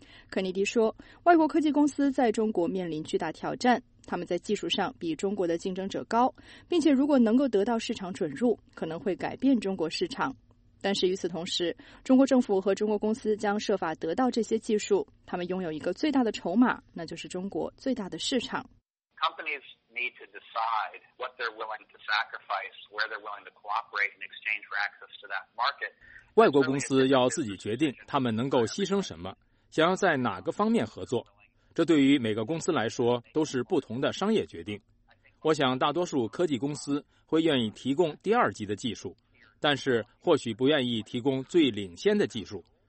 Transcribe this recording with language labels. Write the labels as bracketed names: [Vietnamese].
[Chinese] 肯尼迪说，外国科技公司在中国面临巨大挑战，他们在技术上比中国的竞争者高，并且如果能够得到市场准入，可能会改变中国市场。但是与此同时，中国政府和中国公司将设法得到这些技术，他们拥有一个最大的筹码，那就是中国最大的市场。 [English] Companies need to decide what they're willing to sacrifice, where they're willing to cooperate in exchange for access to that market. [Chinese] 外国公司要自己决定他们能够牺牲什么，想要在哪个方面合作。这对于每个公司来说都是不同的商业决定。我想大多数科技公司会愿意提供第二级的技术，但是或许不愿意提供最领先的技术。